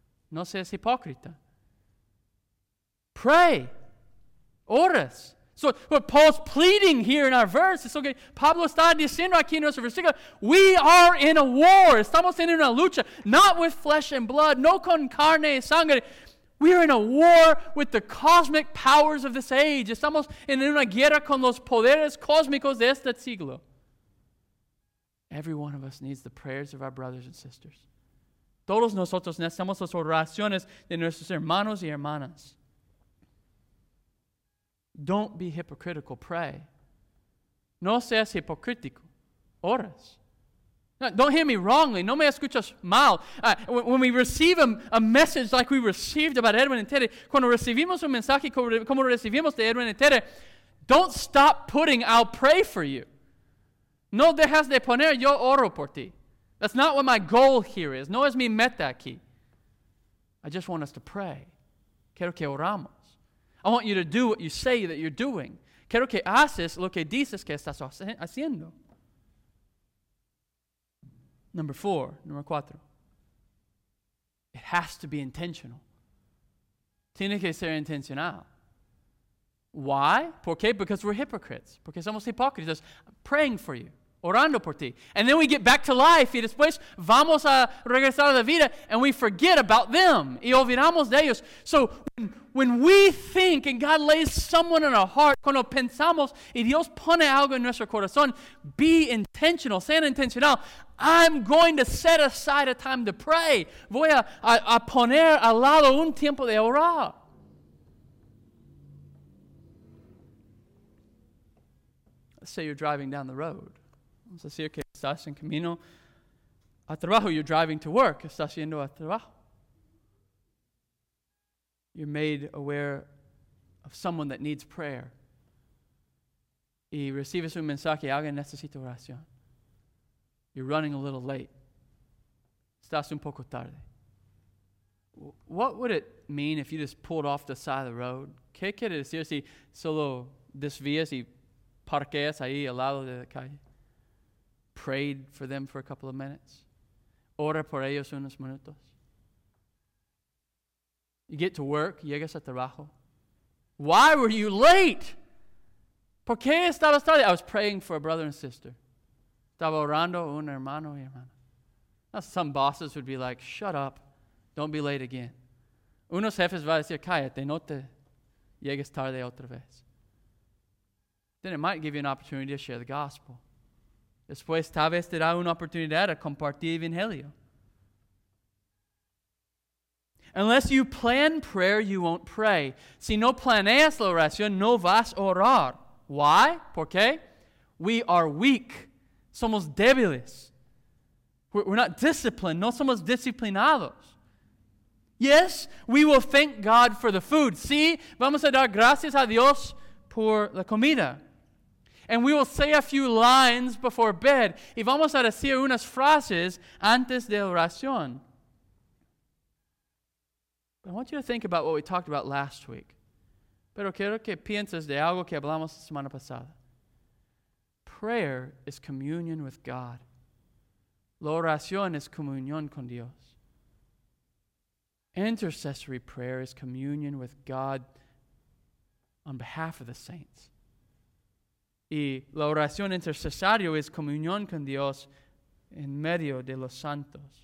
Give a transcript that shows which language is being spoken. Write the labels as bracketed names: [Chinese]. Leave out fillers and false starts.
[Spanish] No seas hipócrita. [English] Pray. [Spanish] Oras. [English] So what Paul's pleading here in our verse is, okay, [Spanish] Pablo está diciendo aquí en nuestro versículo, [English] we are in a war. [Spanish] Estamos en una lucha. [English] Not with flesh and blood, [Spanish] no con carne y sangre. [English] We are in a war with the cosmic powers of this age. [Spanish] Estamos en una guerra con los poderes cósmicos de este siglo. [English] Every one of us needs the prayers of our brothers and sisters. [Spanish] Todos nosotros necesitamos las oraciones de nuestros hermanos y hermanas. [English] Don't be hypocritical, pray. [Spanish] No seas hipocrítico, oras. [English] Now, don't hear me wrongly, [Spanish] no me escuchas mal. [English] When we receive a message like we received about Edwin and Tere, [Spanish] cuando recibimos un mensaje como recibimos de Edwin and Tere, [English] don't stop putting, I'll pray for you. [Spanish] No dejas de poner, yo oro por ti. [English] That's not what my goal here is. [Spanish] No es mi meta aquí. [English] I just want us to pray. [Spanish] Quiero que oramos. [English] I want you to do what you say that you're doing. [Spanish] Quiero que haces lo que dices que estás haciendo. [English] Number 4. It has to be intentional. [Spanish] Tiene que ser intencional. [English] Why? [Spanish] ¿Por qué? [English] Because we're hypocrites. [Spanish] Porque somos hipócritas. [English] I'm praying for you. [Spanish] Orando por ti. [English] And then we get back to life [Spanish] y después vamos a regresar a la vida [English] and we forget about them. [Spanish] Y olvidamos de ellos. [English] So when we think and God lays someone in our heart, [Spanish] cuando pensamos y Dios pone algo en nuestro corazón, [English] be intentional, [Spanish] sean intencional. [English] I'm going to set aside a time to pray. [Spanish] Voy a poner al lado un tiempo de orar. [English] Let's say you're driving down the road. [Spanish] Vamos a decir que estás en camino a trabajo. [English] You're driving to work. [Spanish] Estás yendo a trabajo. [English] You're made aware of someone that needs prayer. [Spanish] Y recibes un mensaje. Alguien necesita oración. [English] You're running a little late. [Spanish] Estás un poco tarde. [English] What would it mean if you just pulled off the side of the road? [Spanish] ¿Qué quiere decir si solo desvías y parqueas ahí al lado de la calle? [English] Prayed for them for a couple of minutes. [Spanish] Ora por ellos unos minutos. [English] You get to work, [Spanish] llegas a trabajo. [English] Why were you late? [Spanish] ¿Por qué estabas tarde? [English] I was praying for a brother and sister. [Spanish] Estaba orando un hermano y hermana. [English] Now some bosses would be like, shut up, don't be late again. [Spanish] Unos jefes va a decir, cállate, no te llegues tarde otra vez. [English] Then it might give you an opportunity to share the gospel. [Spanish] Después, tal vez te da una oportunidad a compartir el Evangelio. [English] Unless you plan prayer, you won't pray. [Spanish] Si no planeas la oración, no vas a orar. [English] Why? [Spanish] ¿Por qué? [English] We are weak. [Spanish] Somos débiles. [English] We're not disciplined. [Spanish] No somos disciplinados. [English] Yes, we will thank God for the food. [Spanish] Sí, vamos a dar gracias a Dios por la comida. [English] And we will say a few lines before bed. [Spanish] Y vamos a decir unas frases antes de la oración. [English] I want you to think about what we talked about last week. [Spanish] Pero quiero que pienses de algo que hablamos la semana pasada. [English] Prayer is communion with God. [Spanish] La oración es comunión con Dios. [English] Intercessory prayer is communion with God on behalf of the saints. [Spanish] Y la oración intercesario es comunión con Dios en medio de los santos.